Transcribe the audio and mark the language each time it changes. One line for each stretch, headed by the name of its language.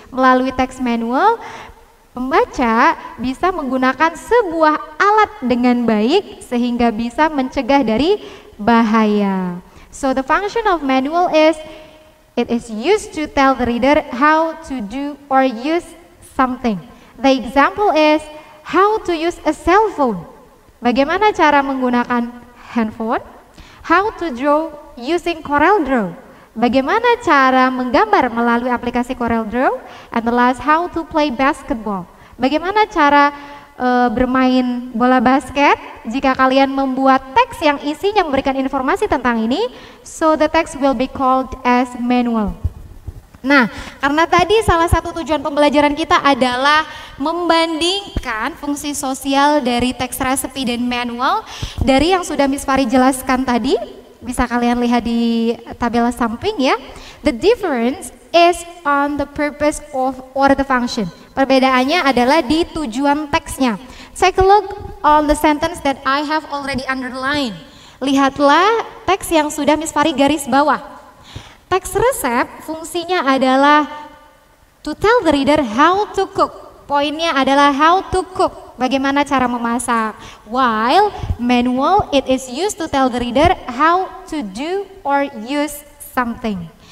Indonesian: Melalui teks manual, pembaca bisa menggunakan sebuah alat dengan baik sehingga bisa mencegah dari bahaya.
English: So the function of manual is, it is used to tell the reader how to do or use something. The example is, how to use a cell phone.
Indonesian: Bagaimana cara menggunakan handphone?
English: How to draw using Corel Draw?
Indonesian: Bagaimana cara menggambar melalui aplikasi Corel Draw?
English: And the last, how to play basketball?
Indonesian: Bagaimana cara bermain bola basket, jika kalian membuat teks yang isinya memberikan informasi tentang ini,
English: so the text will be called as manual.
Indonesian: Nah, karena tadi salah satu tujuan pembelajaran kita adalah membandingkan fungsi sosial dari teks resepi dan manual dari yang sudah Miss Fari jelaskan tadi, bisa kalian lihat di tabel samping ya.
English: The difference is on the purpose of or the function.
Indonesian: Perbedaannya adalah di tujuan teksnya.
English: Take a look on the sentence that I have already underlined.
Indonesian: Lihatlah teks yang sudah Miss Fari garis bawah. Teks resep fungsinya adalah
English: to tell the reader how to cook.
Indonesian: Poinnya adalah
English: how to cook,
Indonesian: bagaimana cara memasak.
English: While manual, it is used to tell the reader how to do or use something.